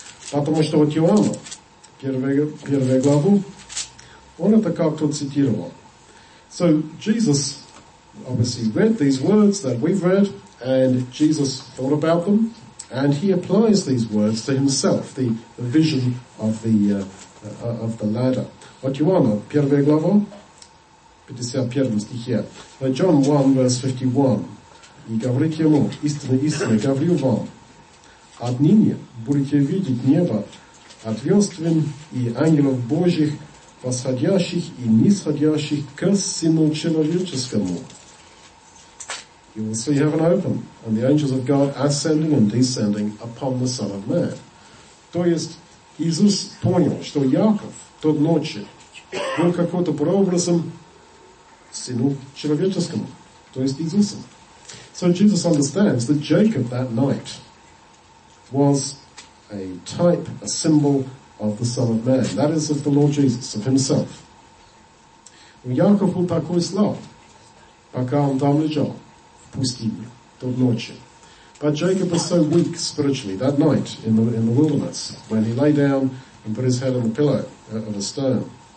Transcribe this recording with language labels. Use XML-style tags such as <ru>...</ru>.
<ru>Потому что вот Иоанна, первая глава, он это как-то цитировал.</ru> <en>So Jesus obviously read these words that we've read, and Jesus thought about them, and he applies these words to himself, the vision of the ladder.</en> <ru>Вот Иоанна, первая глава, 51 стихе,</ru> <en>John 1, verse 51,</en> <ru>и говорит ему, истинно, истинно, говорю вам, отныне будете видеть небо отверстием и ангелов Божьих, восходящих и нисходящих к Сыну Человеческому.</ru> <en>You will see heaven open, and the angels of God ascending and descending upon the Son of Man.</en> <ru>То есть, Иисус понял, что Яков тот ночи был какой-то прообразом Сыну Человеческому, то есть Иисусом.</ru> <en>So Jesus understands that Jacob that night was a type, a symbol of the Son of Man. That is of the Lord Jesus, of himself.</en> <ru>Яков был такой слаб, пока он там лежал, в пустыне, тот ночи.</ru> <en>But Jacob was so weak spiritually that night in the wilderness, when he lay down and put his head on the pillow of a stone.</en>